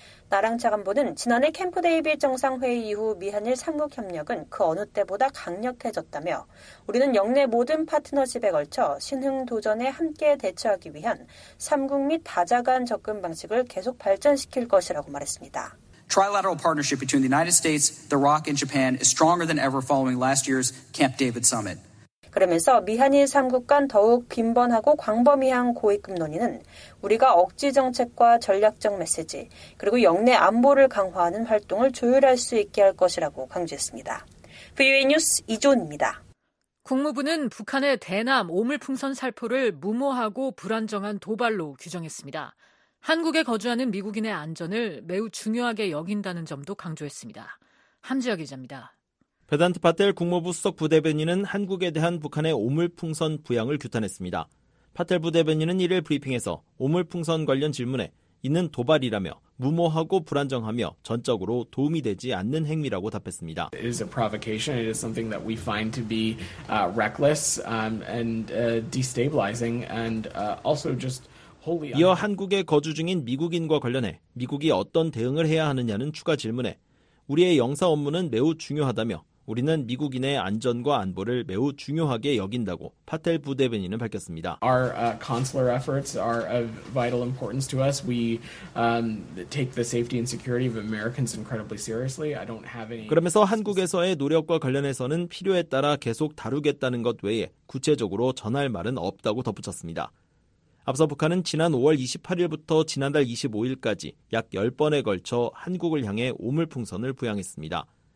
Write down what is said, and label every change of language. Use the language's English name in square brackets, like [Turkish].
[Korean] 나랑 차관보는 지난해 캠프 데이빗 정상회의 이후 미한일 3국 협력은 그 어느 때보다 강력해졌다며 우리는 역내 모든 파트너십에 걸쳐 신흥 도전에 함께 대처하기 위한 3국 및 다자간 접근 방식을 계속 발전시킬 것이라고 말했습니다. [English] Trilateral partnership between the United States, the ROC and Japan is stronger than ever following last year's Camp David summit. [Korean] 그러면서 미한일 3국 간 더욱 빈번하고 광범위한 고위급 논의는 우리가 억지 정책과 전략적 메시지 그리고 역내 안보를 강화하는 활동을 조율할 수 있게 할 것이라고 강조했습니다. VOA 뉴스 이조은입니다. 국무부는 북한의 대남 오물풍선 살포를 무모하고 불안정한 도발로 규정했습니다. 한국에 거주하는 미국인의 안전을 매우 중요하게 여긴다는 점도 강조했습니다. 함지혁 기자입니다. 베단트 파텔 국무부 수석 부대변인은 한국에 대한 북한의 오물풍선 부양을 규탄했습니다. 파텔 부대변인은 이를 브리핑에서 오물풍선 관련 질문에 이는 도발이라며 무모하고 불안정하며 전적으로 도움이 되지 않는 행위라고 답했습니다. [English] It is a provocation. It is something that we find to be reckless and destabilizing and also just [Korean] 이어 한국에 거주 중인 미국인과 관련해 미국이 어떤 대응을 해야 하느냐는 추가 질문에 우리의 영사 업무는 매우 중요하다며 우리는 미국인의 안전과 안보를 매우 중요하게 여긴다고 파텔 부대변인은 밝혔습니다. [English] Our consular efforts are of vital importance to us. We take the safety and security of Americans incredibly seriously. I don't have any [Korean] 그러면서 한국에서의 노력과 관련해서는 필요에 따라 계속 다루겠다는 것 외에 구체적으로 전할 말은 없다고 덧붙였습니다. 앞서 북한은 지난 5월 28일부터 지난달 25일까지 약 10번에 걸쳐 한국을 향해 오물풍선을 부양했습니다.